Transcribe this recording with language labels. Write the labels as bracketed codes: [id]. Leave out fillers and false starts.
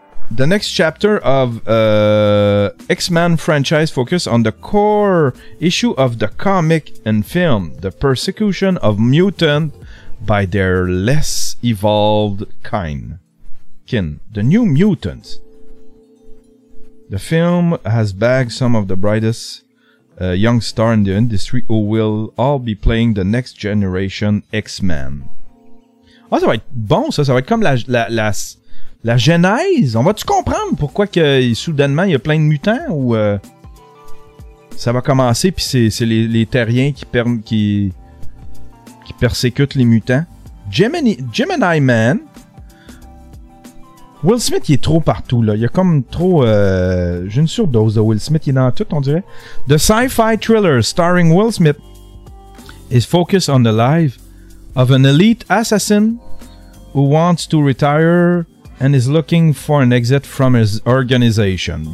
[en] The next chapter of X-Men franchise focus on the core issue of the comic and film, the persecution of mutant by their less evolved kin. The New Mutants. The film has bagged some of the brightest young stars in the industry who will all be playing the next generation X-Men. [fr] Ah, oh, ça va être bon, ça. Ça va être comme la genèse. On va-tu comprendre pourquoi que soudainement il y a plein de mutants ou ça va commencer puis c'est les terriens qui persécutent les mutants. [en] Gemini Man. [fr] Will Smith, il est trop partout, là. Il y a comme trop... J'ai une surdose de Will Smith. Il est dans tout, on dirait. [en] The sci-fi thriller starring Will Smith is focused on the life of an elite assassin who wants to retire and is looking for an exit from his organization.